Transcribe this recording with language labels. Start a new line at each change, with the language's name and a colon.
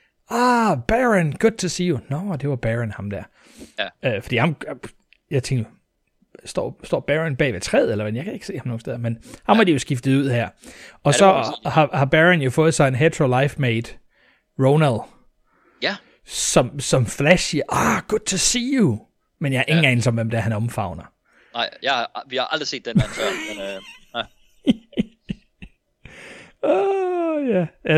English: Ah, Baron, good to see you.
Danish: Nå, det var Baron, ham der. Ja. Fordi jeg tænkte, står Baron bag ved træet, eller hvad? Jeg kan ikke se ham nogen steder, men ham har de jo skiftet ud her. Og så har Baron jo fået sig en hetero life mate, Ronal. Ja. Som Flash siger,
English: ah, good to see you.
Danish: Men jeg er ingen anelse om, hvem det er, han omfavner. Nej, vi har aldrig set den mand før.